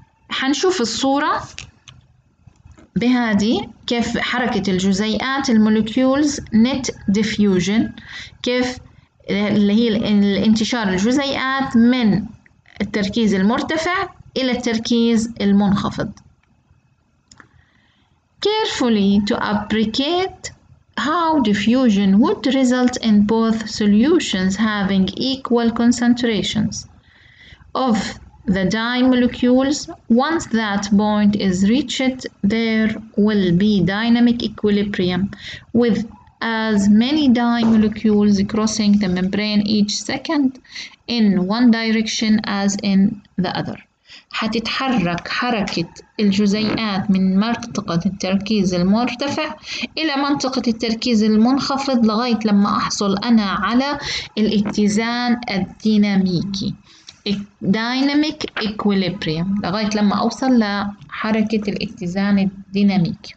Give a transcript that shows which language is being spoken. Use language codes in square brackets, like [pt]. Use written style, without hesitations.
[ar] حنشوف الصورة بهذه كيف حركة الجزيئات المولكيولز نت ديفيوجن، كيف اللي هي الانتشار الجزيئات من التركيز المرتفع إلى التركيز المنخفض. [en] Carefully to appreciate how diffusion would result in both solutions having equal concentrations of the dye molecules, once that point is reached, there will be dynamic equilibrium with as many dye molecules crossing the membrane each second in one direction as in the other. [ar] هتتحرك حركة الجزيئات من منطقة التركيز المرتفع إلى منطقة التركيز المنخفض لغاية لما أحصل أنا على الاتزان الديناميكي. الديناميك إيكوليبريم لغاية لما أوصل لحركة الاتزان الديناميكي.